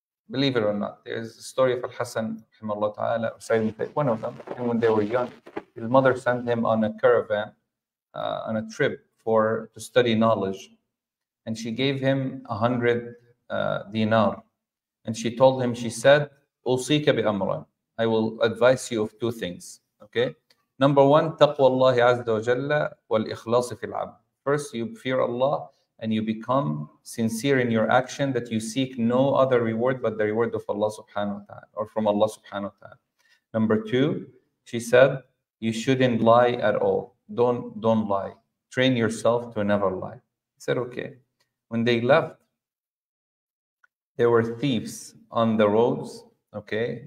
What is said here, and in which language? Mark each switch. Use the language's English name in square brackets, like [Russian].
[English] Believe it or not, there's a story of Al-Hasan, rahimahullah ta'ala, one of them, and when they were young, his mother sent him on a caravan, on a trip for to study knowledge. And she gave him 100 dinar. And she told him, she said, [Arabic] أُوصِيكَ بِأَمْرًا. [English] I will advise you of two things, okay? Number one, [Arabic] تَقْوَى اللَّهِ عَزَّ وَجَلَّ وَالْإِخْلَاصِ فِي الْعَبْدِ. [English] First, you fear Allah and you become sincere in your action that you seek no other reward but the reward of Allah subhanahu wa ta'ala or from Allah subhanahu wa ta'ala. Number two, she said, you shouldn't lie at all. Don't lie. Train yourself to never lie. He said, okay. When they left, there were thieves on the roads, okay?